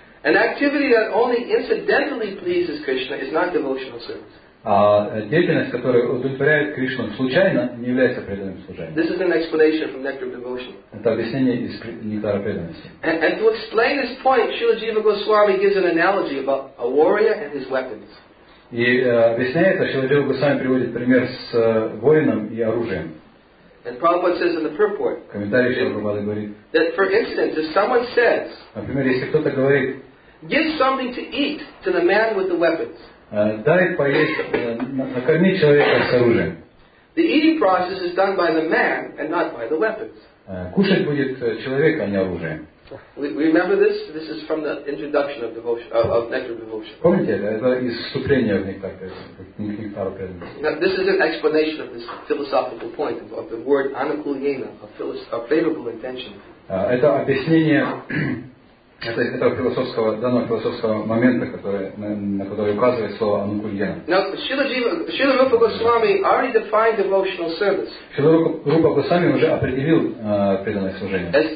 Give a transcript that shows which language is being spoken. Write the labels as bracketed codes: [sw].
[en] An activity that only incidentally pleases Krishna is not devotional service. [ru] А деятельность, которая удовлетворяет Кришну случайно, не является преданным служением. [en] This is an explanation from Nectar of Devotion. [ru] Это объяснение из Нектара преданности. [en] And to explain this point, Srila Jiva Goswami gives an analogy about a warrior and his weapons. [ru] И объясняя это, Srila Jiva Goswami приводит пример с воином и оружием. [en] And Prabhupada says in the purport. [ru] Комментарий Шрила Прабхупады говорит. [en] That for instance, if someone says. [ru] Например, если кто-то говорит. [en] Give something to eat to the man with the weapons. [ru] Дай поесть, накорми человека с оружием. [en] The eating process is done by the man and not by the weapons. [ru] Кушать будет человек, а не оружие. [en] Remember this? This is from the introduction of devotion, of Nectar Devotion. [ru] Помните, это из вступления в Нектар Преданности. [en] Now this is an explanation of this philosophical point of the word anukulyena, a favorable intention. [ru] Это объяснение данного философского момента, на который указывает слово Анукульяна. [en] Now, Srila Rupa Goswami already defined devotional service. [ru] Srila Rupa Goswami уже определил преданное служение.